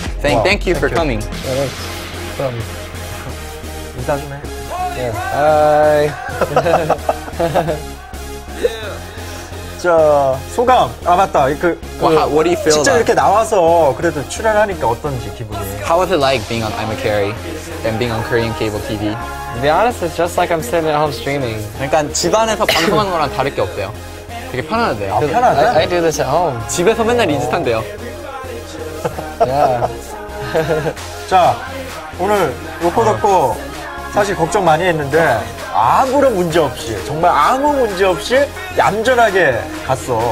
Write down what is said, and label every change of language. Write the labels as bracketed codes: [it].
[en] Thank you for coming. Yeah, thanks. [ko] 인사 좀 해. [en] Yeah. Hi. [ko] 자, 소감. 아 맞다. [en] What do you feel? [ko] 진짜 [en] like? [ko] 이렇게 나와서 그래도 출연하니까 어떤지 기분이. [en] How was it like being on I'm a Carry and being on Korean cable TV? To be honest, it's just like I'm sitting at home streaming. [ko] 그러니까 집안에서 방송하는 거랑 다를 게 없대요. 되게 편안하대요. 아, 편안해? [en] I do this at home. [ko] 집에서 맨날 이 짓한대요. [en] Yeah. [ko] 자, 오늘 로코 덕고 사실 걱정 많이 했는데 아무런 문제 없이, 정말 아무 문제 없이 얌전하게 갔어.